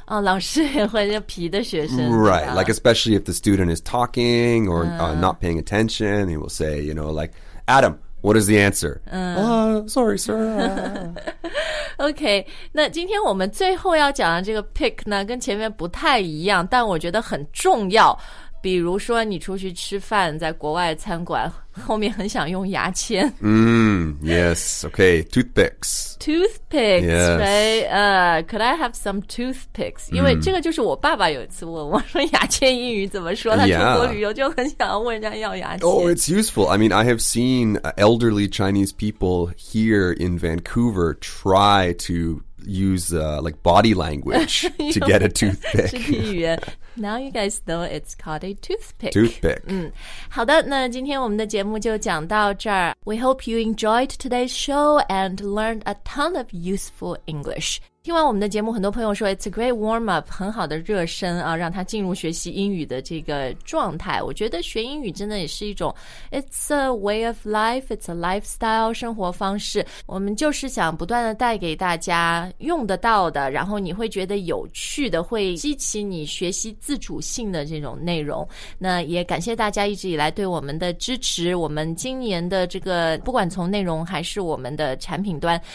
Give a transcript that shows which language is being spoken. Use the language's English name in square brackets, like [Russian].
[Chinese] 老师也会那皮的学生。 [English] Right, like especially if the student is talking or not paying attention, he will say, you know, like, Adam, what is the answer? Sorry, sir. [Chinese] OK, 那今天我们最后要讲的这个 pick 呢跟前面不太一样，但我觉得很重要。比如说你出去吃饭，在国外餐馆后面很想用牙签。 [English] Yes, OK, toothpicks. Toothpicks, yes. Right? Could I have some toothpicks? [Chinese] 因为这个就是我爸爸有一次问我说牙签英语怎么说，他出国旅游就很想问人家要牙签。 [English] Oh, it's useful. I mean, I have seen elderly Chinese people here in Vancouver try to use like body language to get a toothpick. Now you guys know it's called a toothpick. Toothpick. [Chinese] 好的，那今天我们的节目就讲到这儿。 [English] We hope you enjoyed today's show and learned a ton of useful English. [Chinese] 听完我们的节目，很多朋友说 [English] it's a great warm up, [Chinese] 很好的热身啊，让他进入学习英语的这个状态。我觉得学英语真的也是一种 [English] it's a way of life, it's a lifestyle, [Chinese] 生活方式。我们就是想不断的带给大家用得到的，然后你会觉得有趣的，会激起你学习自主性的这种内容。那也感谢大家一直以来对我们的支持，我们今年的这个不管从内容还是我们的产品端，